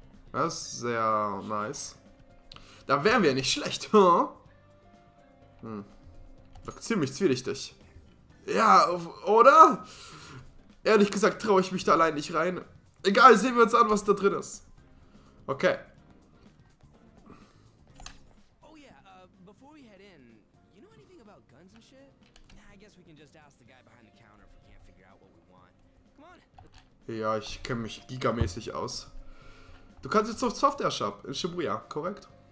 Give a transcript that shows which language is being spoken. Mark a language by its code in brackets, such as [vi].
[de] Das ist sehr nice. Da wären wir nicht schlecht, huh? Hm. Doch ziemlich zwielichtig. Ja, oder? Ehrlich gesagt traue ich mich da allein nicht rein. Egal, sehen wir uns an, was da drin ist. Okay. [en] Oh [de] ja, bevor wir [en] head in, you know anything about guns and shit? I guess we can just ask the guy behind the counter if we can't figure out what we want. Come on. [de] Ja, ich kenne mich gigamäßig aus. Du kannst jetzt auf Software Shop in Shibuya, korrekt?